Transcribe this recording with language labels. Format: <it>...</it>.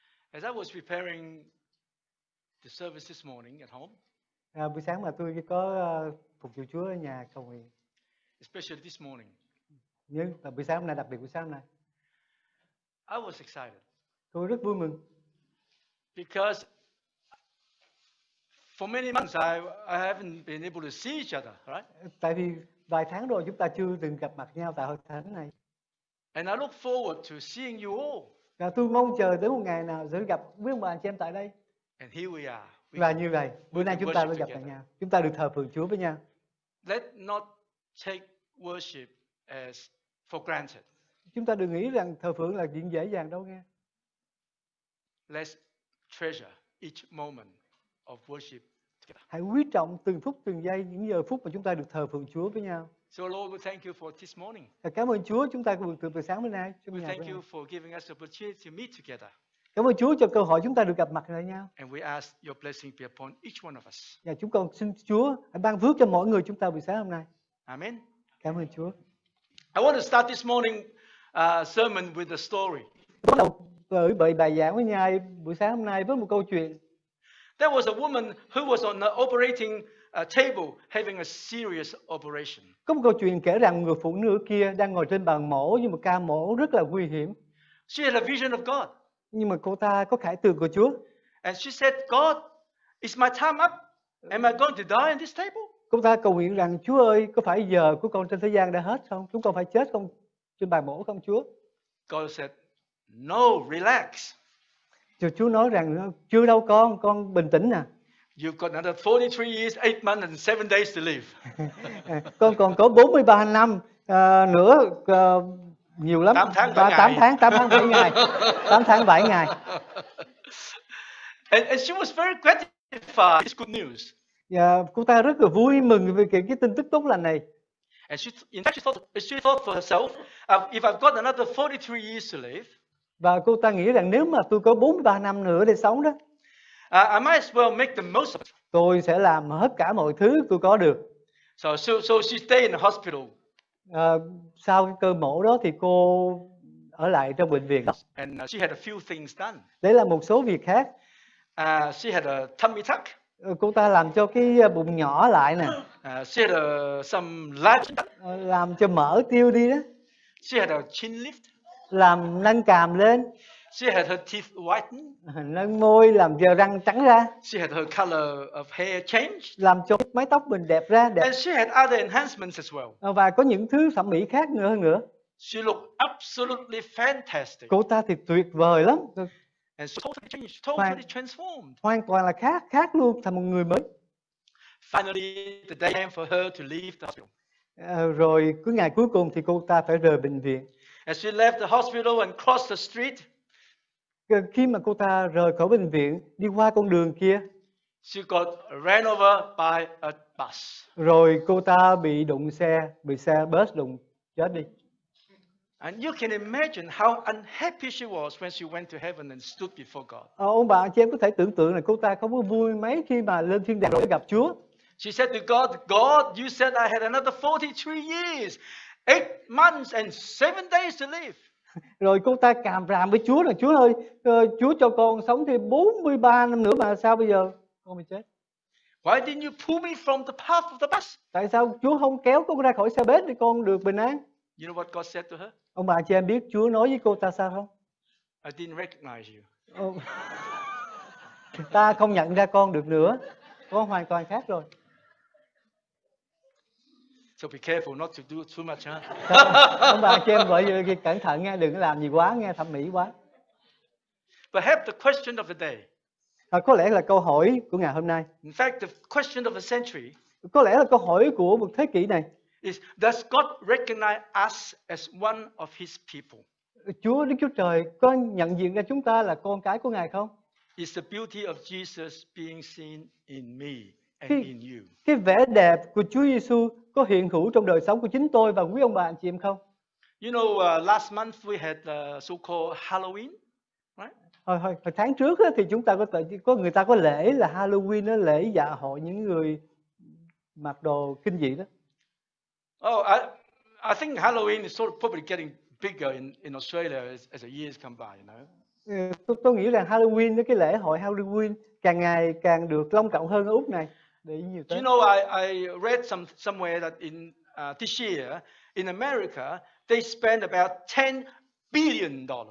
<en>As I was preparing the service this morning at home.</en> <vi>Buổi sáng mà tôi có phục vụ Chúa ở nhà cầu nguyện.</vi> <en>Especially this morning.</en> <vi>Nhưng là buổi sáng hôm nay, đặc biệt buổi sáng hôm nay.</vi> <en>I was excited.</en> <vi>Tôi rất vui mừng.</vi> <en>Because for many months I haven't been able to see each other, right?</en> <vi>Tại vì vài tháng rồi chúng ta chưa từng gặp mặt nhau tại hội thánh này.</vi> <en>And I look forward to seeing you all.</en> <vi>Và tôi mong chờ tới một ngày nào sẽ gặp quý ông bà anh chị em tại đây.</vi> <en>And here we are.</en> <vi>Và như vậy, bữa nay chúng ta được gặp lại nhau. Chúng ta được thờ phượng Chúa với nhau.</vi> <en>Let not take worship as for granted.</en> <vi>Chúng ta đừng nghĩ rằng thờ phượng là chuyện dễ dàng đâu nghe.</vi> <en>Let's treasure each moment of worship.</en> <vi>Hãy quý trọng từng phút từng giây, những giờ phút mà chúng ta được thờ phượng Chúa với nhau.</vi> <en>So Lord, we thank you for this morning.</en> <vi>Cảm ơn Chúa chúng ta được từ sáng đến nay.</vi> <en>We thank you for giving us the opportunity to meet together.</en> <vi>Cảm ơn Chúa cho cơ hội chúng ta được gặp mặt lại nhau.</vi> <en>And we ask your blessing be upon each one of us.</en> <vi>Và chúng con xin Chúa hãy ban phước cho mỗi người chúng ta buổi sáng hôm nay.</vi> <en>Amen.</en> <vi>Cảm ơn Chúa.</vi> <en>I want to start this morning sermon with a story.</en> <vi>Bắt đầu bài giảng với nhau buổi sáng hôm nay với một câu chuyện.</vi> <en>There was a woman who was on the operating table having a serious operation.</en> <vi>Có một câu chuyện kể rằng người phụ nữ kia đang ngồi trên bàn mổ nhưng mà ca mổ rất là nguy hiểm.</vi> <en>She had a vision of God.</en> <vi>Nhưng mà cô ta có khải tượng của Chúa.</vi> <en>And she said, God, is my time up? Am I going to die on this table?</en> <vi>Cô ta cầu nguyện rằng Chúa ơi, có phải giờ của con trên thế gian đã hết không? Chúng con phải chết không trên bàn mổ không Chúa?</vi> <en>God said, no, relax.</en> <vi>Chúa nói rằng chưa đâu con bình tĩnh nè.</vi> <en>You've got another 43 years, 8 months and 7 days to live.</en> <vi>Con còn có 43 năm nữa, nhiều lắm. 8 tháng 7 ngày. 8 tháng 7 ngày.</vi> <en>And she was very gratified this good news.</en> <vi>Cô ta rất là vui mừng về cái tin tức tốt lành này.</vi> <en>And she thought for herself, if I've got another 43 years to live.</en> <vi>Và cô ta nghĩ rằng nếu mà tôi có 43 năm nữa để sống đó,</vi> <en>I might as well make the most of it.</en> <vi>Tôi sẽ làm hết cả mọi thứ tôi có được.</vi> <en>So she stayed in the hospital.</en> <vi>Sau cái cơ mổ đó thì cô ở lại trong bệnh viện.</vi> <en>And she had a few things done.</en> <vi>Đấy là một số việc khác.</vi> <en>She had a tummy tuck.</en> <vi>Cô ta làm cho cái bụng nhỏ lại nè.</vi> <en>She had some large.</en> <vi>Làm cho mỡ tiêu đi đó.</vi> <en>She had a chin lift.</en> <vi>Làm nâng cằm lên.</vi> <en>She had her teeth whitened.</en> <vi>Nâng môi làm cho răng trắng ra.</vi> <en>She had her color of hair changed.</en> <vi>Làm cho mái tóc mình đẹp ra. Đẹp.</vi> <en>And she had other enhancements as well.</en> <vi>Và có những thứ thẩm mỹ khác nữa hơn nữa.</vi> <en>She looked absolutely fantastic.</en> <vi>Cô ta thì tuyệt vời lắm.</vi> <en>And she totally changed, totally transformed.</en> <vi>Hoàn toàn là khác luôn, thành một người mới.</vi> <en>Finally, the day came for her to leave the hospital.</en> <vi>Rồi cứ ngày cuối cùng thì cô ta phải rời bệnh viện.</vi> <en>As she left the hospital and crossed the street,</en> <vi>khi mà cô ta rời khỏi bệnh viện, đi qua con đường kia,</vi> <en>she got ran over by a bus.</en> <vi>Rồi cô ta bị xe bus đụng, chết đi.</vi> <en>And you can imagine how unhappy she was when she went to heaven and stood before God.</en> <vi>Ông bà, chị em có thể tưởng tượng là cô ta không có vui mấy khi mà lên thiên đàng để gặp Chúa.</vi> <en>She said to God, God, you said I had another 43 years. 8 months and 7 days to live.</en> <vi>Rồi cô ta càm ràm với Chúa là Chúa ơi, Chúa cho con sống thêm 43 năm nữa mà sao bây giờ con mới chết.</vi> <en>Why didn't you pull me from the path of the bus?</en> <vi>Tại sao Chúa không kéo con ra khỏi xe bus để con được bình an?</vi> <en>You know what God said to her?</en> <vi>Ông bà chị em biết Chúa nói với cô ta sao không?</vi> <en>I didn't recognize you.</en> <vi>Ta không nhận ra con được nữa. Con hoàn toàn khác rồi.</vi> <en>So be careful not to do too much, huh?</en> <vi>Ông bà cho em gọi như cẩn thận nghe, đừng làm gì quá nghe, thẩm mỹ quá.</vi> <en>Perhaps the question of the day.</en> <vi>Có lẽ là câu hỏi của ngày hôm nay.</vi> <en>In fact, the question of the century.</en> <vi>Có lẽ là câu hỏi của một thế kỷ này.</vi> <en>Is does God recognize us as one of His people?</en> <vi>Chúa Đức Chúa Trời có nhận diện ra chúng ta là con cái của Ngài không?</vi> <en>Is the beauty of Jesus being seen in me and in you?</en> <vi>Cái vẻ đẹp của Chúa Giêsu có hiện hữu trong đời sống của chính tôi và quý ông bà anh chị em không?</vi> <en>You know, last month we had so-called Halloween.</en> <vi>Hồi tháng trước thì chúng ta có người ta có lễ là Halloween, nó lễ dạ hội những người mặc đồ kinh dị đó.</vi> <en>Oh, I think Halloween is sort of probably getting bigger in Australia as the years come by, you know.</en> <vi>Tôi nghĩ là Halloween, cái lễ hội Halloween càng ngày càng được long trọng hơn ở Úc này. Để nhiều tới.</vi> <en>You know, I read somewhere that in this year in America they spend about $10 billion.</en>